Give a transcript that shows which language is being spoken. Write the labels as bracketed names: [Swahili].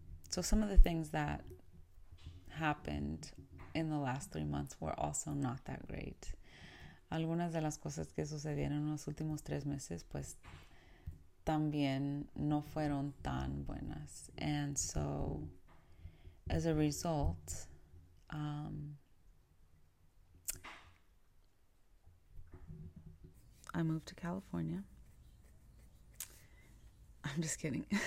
[English] So some of the things that happened in the last 3 months were also not that great. [Spanish] Algunas de las cosas que sucedieron en los últimos 3 meses, pues también no fueron tan buenas. [English] And so, as a result, I moved to California. I'm just kidding.